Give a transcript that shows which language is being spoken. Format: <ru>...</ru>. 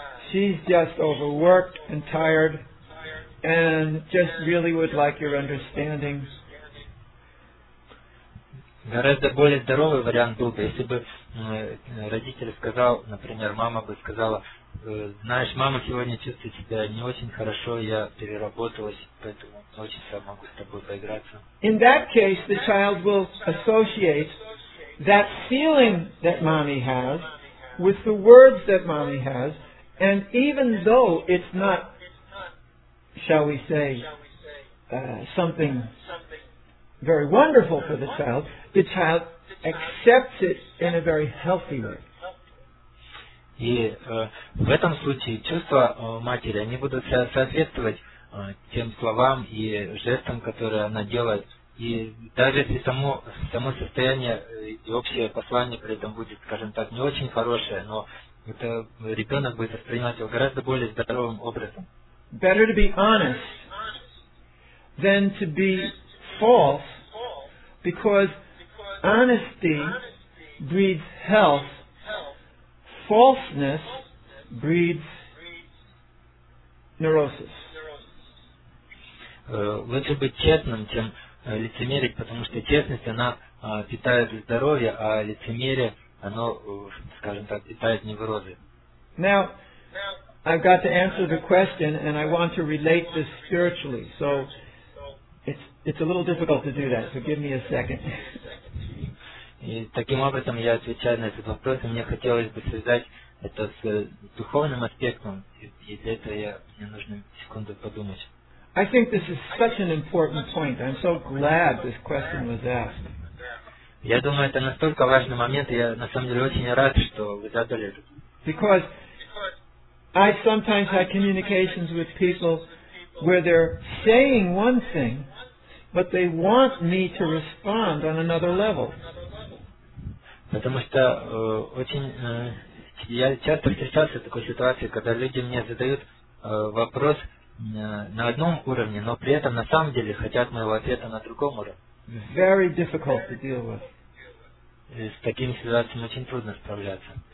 <en>She's just overworked and tired and just really would like your understanding.</en> <ru>Гораздо более здоровый вариант был бы, если бы родитель сказал, например, мама бы сказала, знаешь, мама сегодня чувствует себя не очень хорошо, я переработалась, поэтому очень сам могу с тобой поиграться.</ru> <en>In that case, the child will associate that feeling that mommy has with the words that mommy has, and even though it's not, shall we say, something very wonderful for the child accepts it in a very healthy way.</en> <ru>И в этом случае чувства матери, они будут соответствовать тем словам и жестам, которые она делает. И даже если само состояние и общее послание при этом будет, скажем так, не очень хорошее, но это ребенок будет воспринимать его гораздо более здоровым образом.</ru> <en>Better to be honest than to be false, because honesty breeds health, falseness breeds neurosis.</en> <ru>Лучше быть честным, чем лицемерить, потому что честность, она питает здоровье, а лицемерие, оно, скажем так, питает неврозы.</ru> <en>Now, I've got to answer the question, and I want to relate this spiritually, so it's a little difficult to do that, so give me a second.</en> <ru>И таким образом я отвечаю на этот вопрос, и мне хотелось бы связать это с духовным аспектом, и для этого мне нужно секунду подумать.</ru> <en>I think this is such an important point. I'm so glad this question was asked.</en> <ru>Я думаю, это настолько важный момент, я на самом деле очень рад, что вы задали это.</ru> <en>Because I sometimes had communications with people where they're saying one thing, but they want me to respond on another level.</en> <ru>Потому что очень я часто встречался в такой ситуации, когда люди мне задают вопрос на одном уровне, но при этом на самом деле хотят моего ответа на другом уровне.</ru> <en>Very difficult to deal with.</en> <ru>С такими ситуациями очень трудно справляться.</ru>